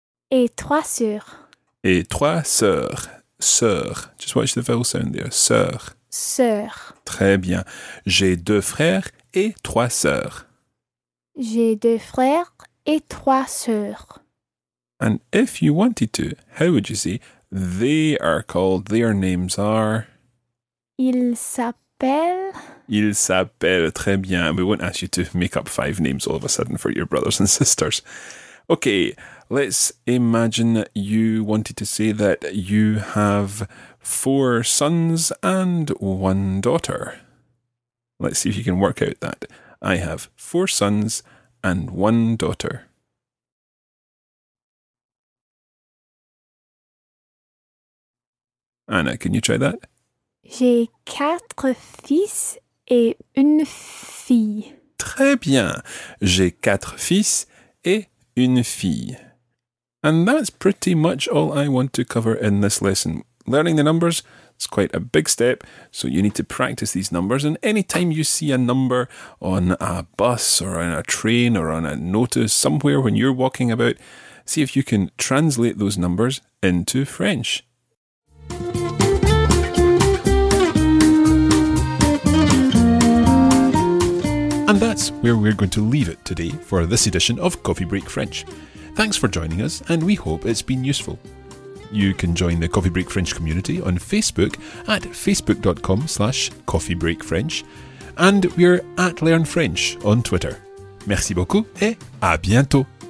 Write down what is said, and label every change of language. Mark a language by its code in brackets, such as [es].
[fr] Et trois sœurs. Et trois sœurs. Sœur. [en] Just watch the vowel sound there. Sœur. [fr] Sœur. Très bien. J'ai deux frères et trois sœurs. J'ai deux frères et trois sœurs. [en] And if you wanted to, how would you say they are called, their names are? [fr] Ils s'appellent. Ils s'appellent. Très bien. [en] We won't ask you to make up five names all of a sudden for your brothers and sisters. Okay, let's imagine that you wanted to say that you have four sons and one daughter. Let's see if you can work out that. I have four sons and one daughter. Anna, can you try that? [fr] J'ai quatre fils et une fille. Très bien. J'ai quatre fils et une fille. [en] And that's pretty much all I want to cover in this lesson. Learning the numbers is quite a big step, so you need to practice these numbers. And anytime you see a number on a bus or on a train or on a notice somewhere when you're walking about, see if you can translate those numbers into French. And that's where we're going to leave it today for this edition of Coffee Break French. Thanks for joining us, and we hope it's been useful. You can join the Coffee Break French community on Facebook at facebook.com/coffeebreakfrench, and we're at Learn French on Twitter. [fr] Merci beaucoup et à bientôt!